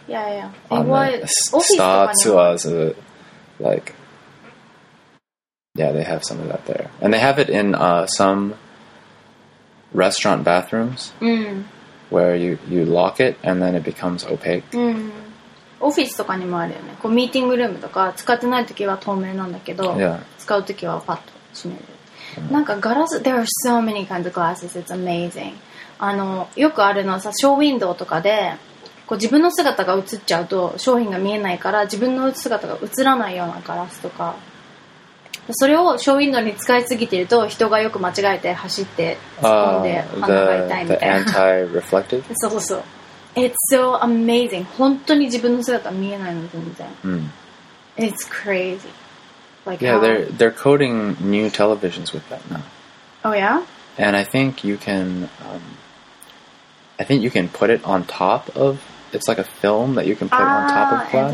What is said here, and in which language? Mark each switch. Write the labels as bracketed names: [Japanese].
[English] Yeah, yeah. On the Statsuas, like, yeah, they have some of that there. And they have it in some restaurant bathrooms mm. where you lock it and then it becomes opaque. Mm. [Japanese] オフィスとかにもあるよね。こうミーティングルームとか使ってないときは透明なんだけど、 [English] yeah. [Japanese] 使うときはパッと閉める。なんかガラス、 [English] there are so many kinds of glasses, it's amazing. [Japanese] あの、よくあるのはさ、ショーウィンドウとかで、こう自分の姿が映っちゃうと商品が見えないから、自分の姿が映らないようなガラスとか、それをショーウィンドウに使いすぎてると、人がよく間違えて走って突っ込んで、鼻が痛いみたいな。 [English] The anti-reflective? [Japanese] そうそう。 [English] It's so amazing. [Japanese] 本当に自分の姿見えないの全然。 Mm. [English] It's crazy. Like yeah, they're coating new televisions with that now. Oh yeah? And I think you can put it on top of, it's like a film that you can put on top of glass.